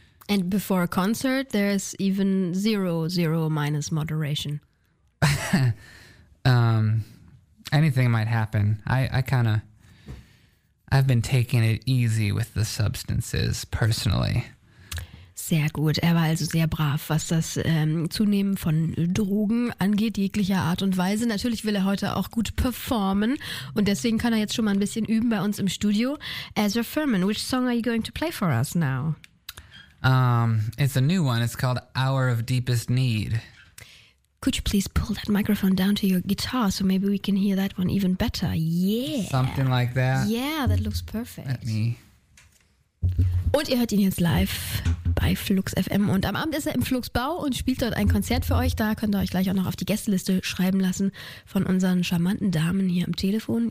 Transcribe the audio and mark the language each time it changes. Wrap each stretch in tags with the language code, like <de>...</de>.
<en>And before a concert, there's even zero minus moderation. Anything might happen. I've been taking it easy with the substances, personally.</en> <de>Sehr gut. Er war also sehr brav, was das Zunehmen von Drogen angeht, jeglicher Art und Weise. Natürlich will er heute auch gut performen und deswegen kann er jetzt schon mal ein bisschen üben bei uns im Studio.</de> <en>Ezra Furman, which song are you going to play for us now? It's a new one. It's called Hour of Deepest Need. Could you please pull that microphone down to your guitar so maybe we can hear that one even better? Yeah. Something like that. Yeah, that looks perfect. Let me.</en> <de>Und ihr hört ihn jetzt live bei Flux FM. Und am Abend ist er im Fluxbau und spielt dort ein Konzert für euch. Da könnt ihr euch gleich auch noch auf die Gästeliste schreiben lassen von unseren charmanten Damen hier am Telefon.</de>